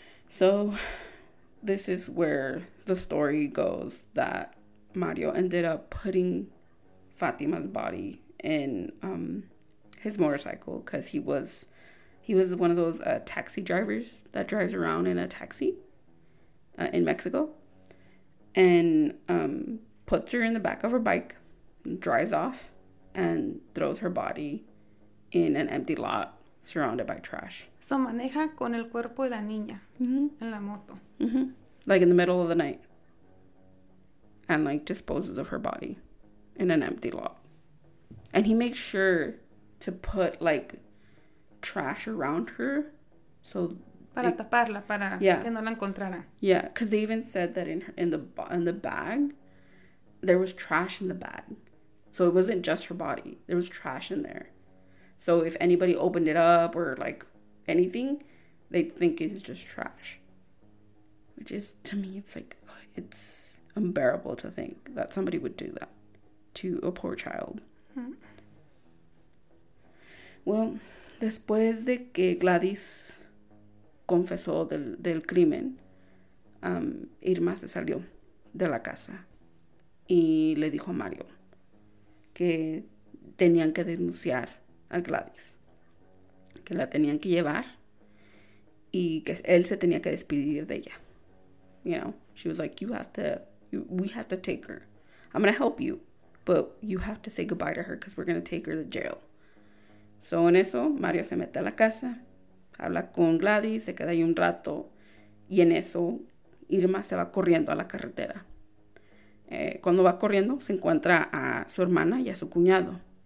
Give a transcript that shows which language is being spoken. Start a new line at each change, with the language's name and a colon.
English: So this is where the story goes, that Mario ended up putting Fatima's body in his motorcycle, because he was one of those taxi drivers that drives around in a taxi in Mexico, and puts her in the back of her bike, drives off, and throws her body in an empty lot surrounded by trash.
Spanish: So maneja con el cuerpo de la niña, mm-hmm, en la moto.
English: Mm-hmm. Like in the middle of the night. And like disposes of her body in an empty lot. And he makes sure to put like trash around her. So
Spanish: para taparla, para,
English: yeah,
Spanish: que no la encontrara.
English: Yeah, because they even said that in the bag, there was trash in the bag. So it wasn't just her body. There was trash in there. So if anybody opened it up or like anything, they'd think it's just trash. Which is, to me, it's like, it's unbearable to think that somebody would do that to a poor child. Mm-hmm.
Spanish: Well, después de que Gladys confesó del crimen, Irma se salió de la casa y le dijo a Mario que tenían que denunciar a Gladys, que la tenían que llevar y que él se tenía que despedir de ella.
English: You know, she was like, we have to take her. I'm going to help you, but you have to say goodbye to her because we're going to take her to jail.
Spanish: So en eso, Mario se mete a la casa, habla con Gladys, se queda ahí un rato, y en eso, Irma se va corriendo a la carretera. Cuando va corriendo, se encuentra a su hermana y a su cuñado.